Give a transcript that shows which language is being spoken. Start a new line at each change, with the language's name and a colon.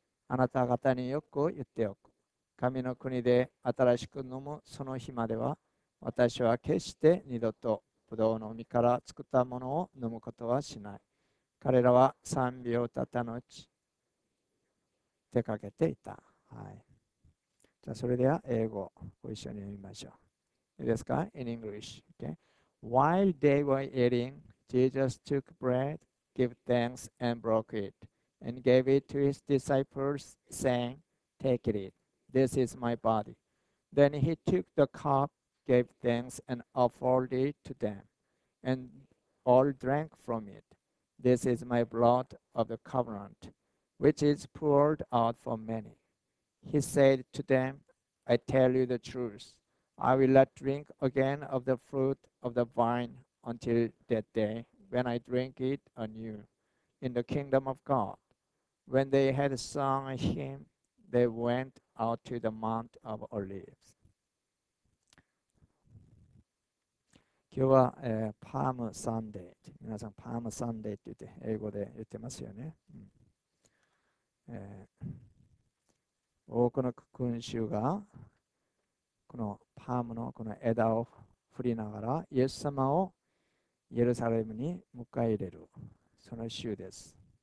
Japanese: あなた方によく言っておく。神の国で新しく飲むその日までは、私は決して二度とブドウの実から作ったものを飲むことはしない。彼らは賛美を歌った後、出かけていた。じゃあ、それでは英語を一緒に読みましょう。いいですか？
English: In English. Okay. While they were eating, Jesus took bread, gave thanks, and broke it. And gave it to his disciples, saying, Take it, this is my body. Then he took the cup, gave thanks, and offered it to them, and all drank from it. This is my blood of the covenant, which is poured out for many. He said to them, I tell you the truth, I will not drink again of the fruit of the vine until that day when I drink it anew in the kingdom of God. When they had sung a hymn, they went out to the Mount of Olives.
Japanese: 今日は、パームサンデー。皆さん、パームサンデーって言って英語で言ってますよね。多くの群衆がこのパームのこの枝を振りながら、イエス様をイエルサレムに迎え入れる、その週です。